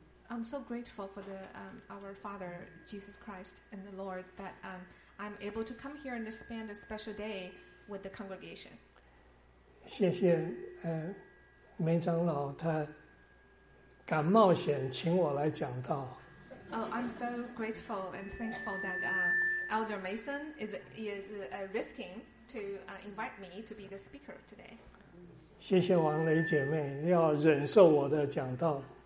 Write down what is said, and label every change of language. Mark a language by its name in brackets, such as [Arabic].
[English] I'm so grateful for the our Father Jesus Christ and the Lord that I'm able to come here and spend a special day with the congregation. [Chinese] 谢谢梅长老他敢冒险请我来讲道。 [English] Oh, I'm so grateful and thankful that Elder Mason is risking to invite me to be the speaker today. [Chinese] 谢谢王雷姐妹要忍受我的讲道。